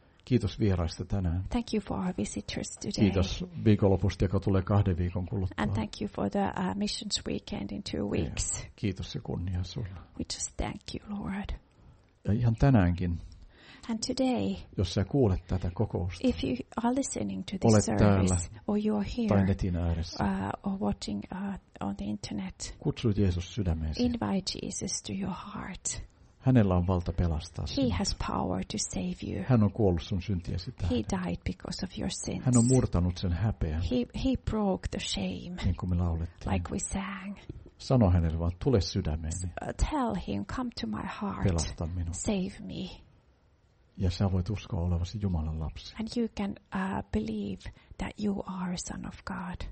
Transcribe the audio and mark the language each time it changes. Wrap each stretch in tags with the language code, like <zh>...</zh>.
<fi>Kiitos vieraista tänään.</fi> <en>Thank you for our visitors today.</en> <fi>Kiitos viikonlopusta, joka tulee 2 viikon kuluttua.</fi> <en>And thank you for the missions weekend in 2 weeks.</en> <fi>Ja, kiitos ja kunnia sulle.</fi> <en>We just thank you, Lord.</en> <fi>Ja ihan tänäänkin,</fi> <en>and today,</en> <fi>jos sä kuulet tätä kokousta,</fi> <en>if you are listening to this service,</en> <fi>täällä,</fi> <en>or you are here,</en> <fi>tai netin ääressä,</fi> <en>or watching on the internet,</en> <fi>kutsu Jeesus sydämeesi.</fi> <en>Invite Jesus to your heart.</en> <fi>Hänellä on valta pelastaa</fi> <en>sinut. He has power to save you.</en> <fi>Hän on kuollut sun syntiäsi tähden.</fi> <en>He died because of your sins.</en> <fi>Hän on murtanut sen häpeän.</fi> <en>He broke the shame.</en> <fi>Niin kuin me laulettiin.</fi> <en>Like we sang.</en> <fi>Sano hänelle vaan, tule sydämeeni.</fi> <en>Tell him, come to my heart.</en> <fi>Pelasta minut.</fi> <en>Save me.</en> <fi>Ja sä voit uskoa olevasi Jumalan lapsi.</fi> <en>And you can believe that you are a son of God.</en>